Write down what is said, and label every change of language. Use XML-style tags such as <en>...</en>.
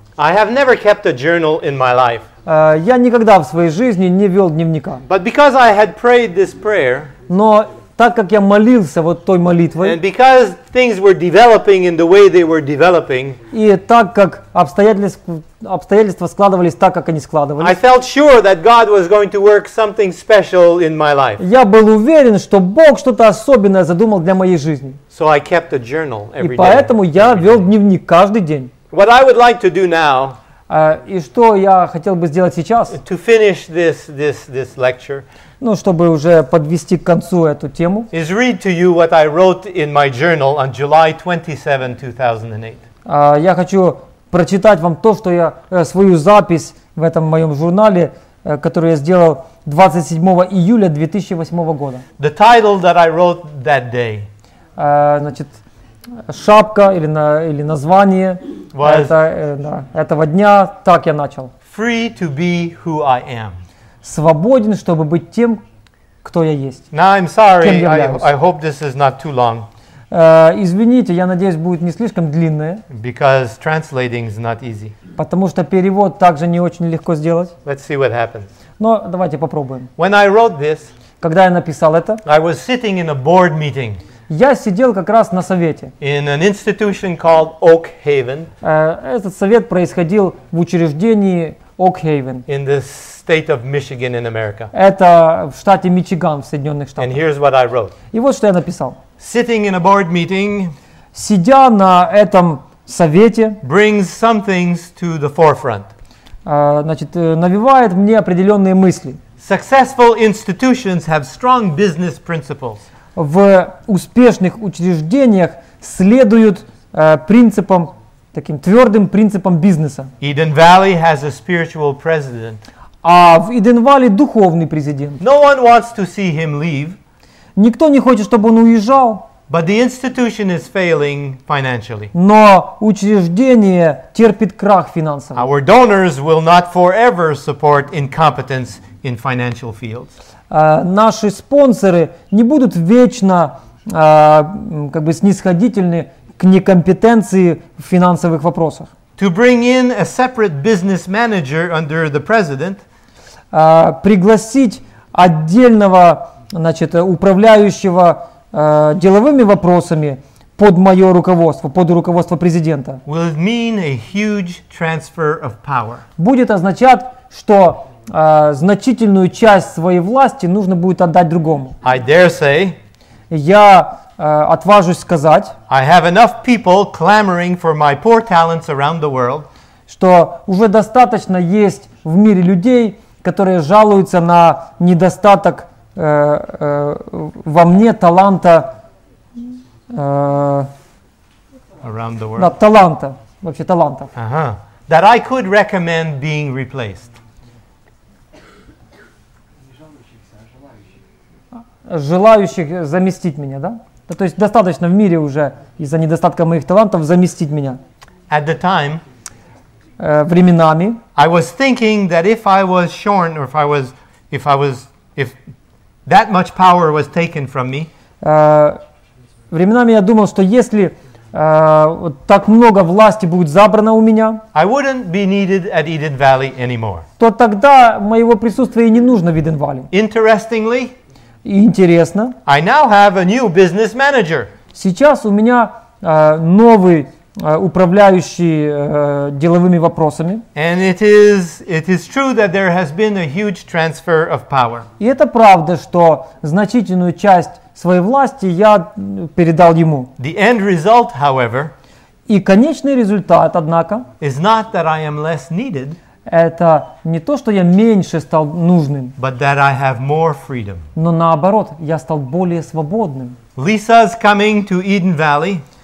<en>I have never kept a journal in my life.</en> <ru>Я никогда в своей жизни не вел дневника.</ru> <en>But because I had prayed this prayer,</en> <ru>но так как я молился вот той молитвой,</ru> <en>and because things were developing in the way they were developing,</en> <ru>и так как обстоятельства складывались так, как они складывались,</ru> <en>I felt sure that God was going to work something special in my life.</en> <ru>Я был уверен, что Бог что-то особенное задумал для моей жизни.</ru> <en>So I kept a journal every day.</en> <ru>И поэтому я вел дневник каждый день.</ru> <en>What I would like to do now,</en> <ru>и что я хотел бы сделать сейчас,</ru> <en>to finish this lecture,</en> <ru>ну, чтобы уже подвести к концу эту тему,</ru> <en>is read to you what I wrote in my journal on July 27, 2008.</en> <ru>Я хочу прочитать вам то, что я, свою запись в этом моем журнале, которую я сделал 27 июля 2008 года.</ru> <en>The title that I wrote that day.</en> <ru>Значит, шапка или, на, или название</ru> <en>was,</en> <ru>это, да, этого дня, так я начал.</ru> <en>Free to be who I am.</en> <ru>Свободен, чтобы быть тем, кто я есть.</ru> <en>Now I'm sorry, I hope this is not too long.</en> <ru>Извините, я надеюсь, будет не слишком длинное.</ru> <en>Because translating is not easy.</en> <ru>Потому что перевод также не очень легко сделать.</ru> <en>Let's see what happens.</en> <ru>Но давайте попробуем.</ru> <en>When I wrote this,</en> <ru>когда я написал это,</ru> <en>I was sitting in a board meeting.</en> <ru>Я сидел как раз на совете.</ru> <en>In an institution called Oak Haven.</en> <ru>Этот совет происходил в учреждении Oak Haven.</ru> <en>In this state of Michigan in America.</en> <ru>Это в штате Мичиган в Соединенных Штатах.</ru> <en>And here's what I wrote.</en> <ru>И вот что я написал.</ru> <en>Sitting in a board meeting,</en> <ru>сидя на этом совете,</ru> <en>brings some things to the forefront.</en> <ru>Значит, навевает мне определенные мысли.</ru> <en>Successful institutions have strong business principles.</en> <ru>В успешных учреждениях следуют принципам, таким твердым принципам бизнеса.</ru> <en>Eden Valley has a spiritual president.</en> <ru>А в Иден-Вале духовный президент.</ru> <en>No one wants to see him leave.</en> <ru>Никто не хочет, чтобы он уезжал.</ru> <en>But the institution is failing financially.</en> <ru>Но учреждение терпит крах финансово.</ru> <en>Our donors will not forever support incompetence in financial fields.</en> <ru>Наши спонсоры не будут вечно как бы снисходительны к некомпетенции в финансовых вопросах.</ru> <en>To bring in a separate business manager under the president,</en> <ru>пригласить отдельного, значит, управляющего деловыми вопросами под мое руководство, под руководство президента,</ru> <en>will mean a huge transfer of power.</en> <ru>Будет означать, что значительную часть своей власти нужно будет отдать другому.</ru> <en>I dare say,</en> <ru>я отважусь сказать,</ru> <en>I have enough people clamoring for my poor talents around the world,</en> <ru>что уже достаточно есть в мире людей, которые жалуются на недостаток во мне таланта,</ru> <en>around the world.</en> <ru>Да, таланта, вообще таланта. Uh-huh.</ru> <en>That I could recommend being replaced.</en> <ru>Желающих заместить меня, да? Да, то есть достаточно в мире уже из-за недостатка моих талантов заместить меня.</ru> <en>At the time,</en> <ru>временами,</ru> <en>I was thinking that if I was shorn, or if that much power was taken from me,</en> <ru>временами я думал, что если так много власти будет забрано у меня,</ru> <en>I wouldn't be needed at Eden Valley anymore.</en> <ru>То тогда моего присутствия не нужно в Eden Valley.</ru> <en>Interestingly,</en> <ru>интересно,</ru> <en>I now have a new business manager.</en> <ru>Сейчас у меня новый управляющий деловыми вопросами.</ru> <en>And it is true that there has been a huge transfer of power.</en> <ru>И это правда, что значительную часть своей власти я передал ему.</ru> <en>The end result, however,</en> <ru>и конечный результат, однако,</ru> <en>is not that I am less needed.</en> <ru>Это не то, что я меньше стал нужным.</ru> <en>But that I have more freedom.</en> <ru>Но наоборот, я стал более свободным.</ru> <en>Lisa's coming to Eden Valley.</en>